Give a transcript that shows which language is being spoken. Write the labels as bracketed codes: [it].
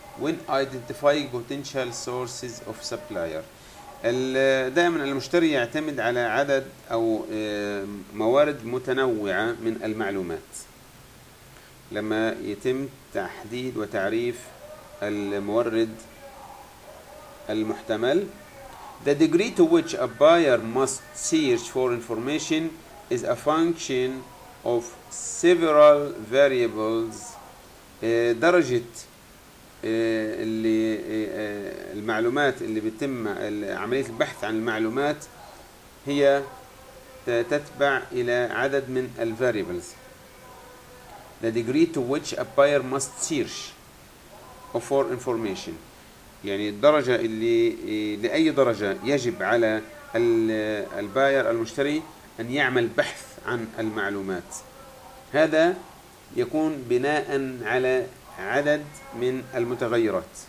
[en] when identifying potential sources of supplier. [ar] دائما المشتري يعتمد على عدد او موارد متنوعه من المعلومات لما يتم تحديد وتعريف المورد المحتمل. [en] The degree to which a buyer must search for information is a function of several variables. [ar] درجة اللي المعلومات اللي بتتم عملية البحث عن المعلومات هي تتبع إلى عدد من ال variables. [en] The degree to which a buyer must search for information. [ar] يعني الدرجة اللي لأي درجة يجب على الباير المشتري أن يعمل بحث عن المعلومات، هذا يكون بناء على عدد من المتغيرات.